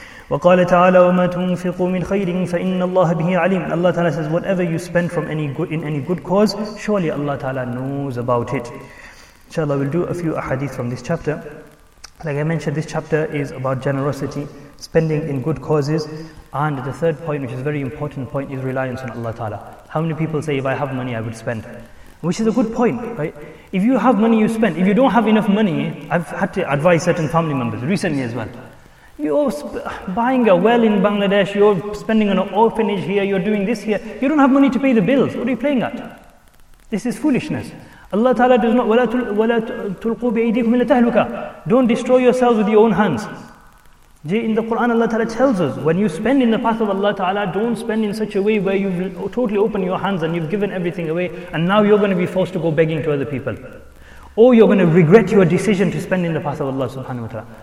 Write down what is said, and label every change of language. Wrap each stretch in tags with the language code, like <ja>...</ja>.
<ar>وقال تعالى وما تنفقوا من خير فإن الله به عليم.</ar> <en>Allah Ta'ala says, whatever you spend from any good, in any good cause, surely Allah Ta'ala knows about it. Inshallah, we'll do a few ahadith from this chapter. Like I mentioned, this chapter is about generosity, spending in good causes, and the third point, which is a very important point, is reliance on Allah Ta'ala. How many people say, if I have money, I would spend? Which is a good point, right? If you have money, you spend. If you don't have enough money, I've had to advise certain family members recently as well. You're buying a well in Bangladesh, you're spending on an orphanage here, you're doing this here, you don't have money to pay the bills. What are you playing at? This is foolishness. Allah Ta'ala does not,</en> <ar>وَلَا تُلْقُوا بِأَيْدِيكُمْ إِلَى تَهْلُكَةٍ.</ar> <en>Don't destroy yourselves with your own hands. In the Quran, Allah Ta'ala tells us, when you spend in the path of Allah Ta'ala, don't spend in such a way where you've totally opened your hands and you've given everything away, and now you're going to be forced to go begging to other people. Oh, you're going to regret your decision to spend in the path of Allah Subhanahu wa Ta'ala.</en>